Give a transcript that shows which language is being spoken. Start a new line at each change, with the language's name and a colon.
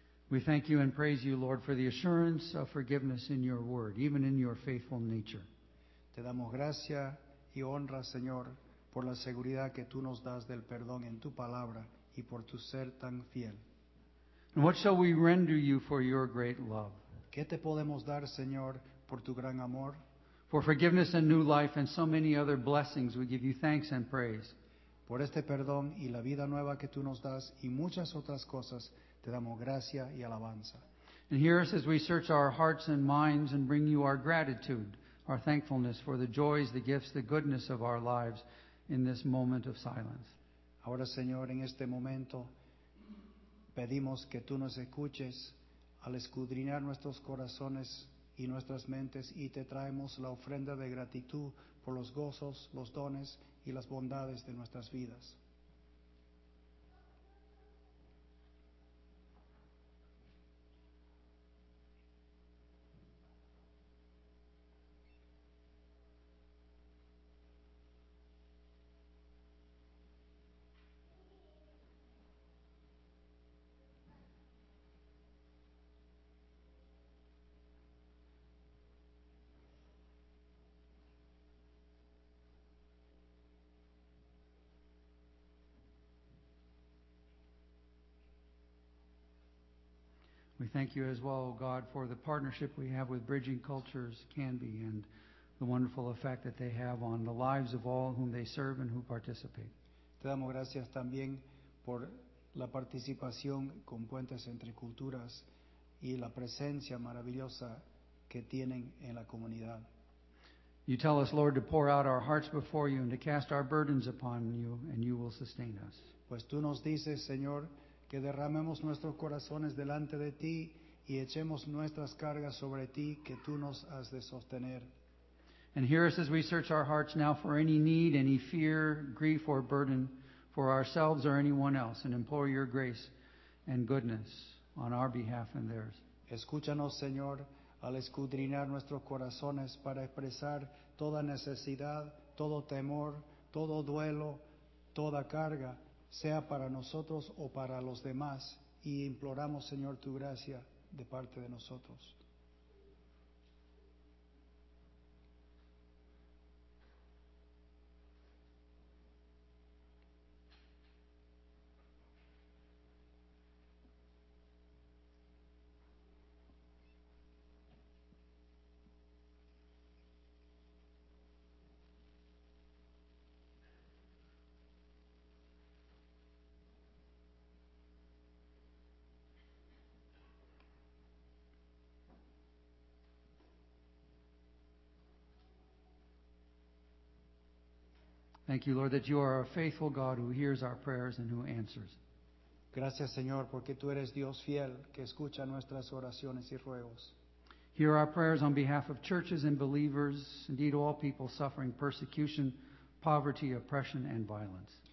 English: We thank you and praise you, Lord, for the assurance of forgiveness in your word, even in your faithful nature.
Spanish: Te damos gracia y honra, Señor, por la seguridad que tú nos das del perdón en tu palabra y por tu ser tan fiel.
English: And what shall we render you for your great love?
Spanish: ¿Qué te podemos dar, Señor, por tu gran amor?
English: For forgiveness and new life and so many other blessings, we give you thanks and praise.
Spanish: Por este perdón y la vida nueva que tú nos das y muchas otras cosas, te damos gracia y alabanza.
English: And hear us as we search our hearts and minds and bring you our gratitude, our thankfulness for the joys, the gifts, the goodness of our lives in this moment of silence.
Spanish: Ahora, Señor, en este momento pedimos que tú nos escuches al escudriñar nuestros corazones y nuestras mentes y te traemos la ofrenda de gratitud por los gozos, los dones y las bondades de nuestras vidas.
English: We thank you as well, O God, for the partnership we have with Bridging Cultures, Canby, and the wonderful effect that they have on the lives of all whom they serve and who participate.
Spanish: Te damos gracias también por la participación con Puentes Entre Culturas y la presencia maravillosa que tienen en la comunidad.
English: You tell us, Lord, to pour out our hearts before you and to cast our burdens upon you, and you will sustain us.
Spanish: Pues tú nos dices, Señor, que derramemos nuestros corazones delante de ti y echemos nuestras cargas sobre ti, que tú nos has de sostener.
English: And hear us as we search our hearts now for any need, any fear, grief, or burden for ourselves or anyone else, and implore your grace and goodness on our behalf and theirs.
Spanish: Escúchanos, Señor, al escudriñar nuestros corazones para expresar toda necesidad, todo temor, todo duelo, toda carga, sea para nosotros o para los demás, y imploramos, Señor, tu gracia de parte de nosotros.
English: Thank you, Lord, that you are a faithful God who hears our prayers and who answers.
Spanish: Gracias, Señor, porque tú eres Dios fiel que escucha nuestras oraciones y ruegos.
English: Hear our prayers on behalf of churches and believers, indeed all people suffering persecution, poverty, oppression, and violence.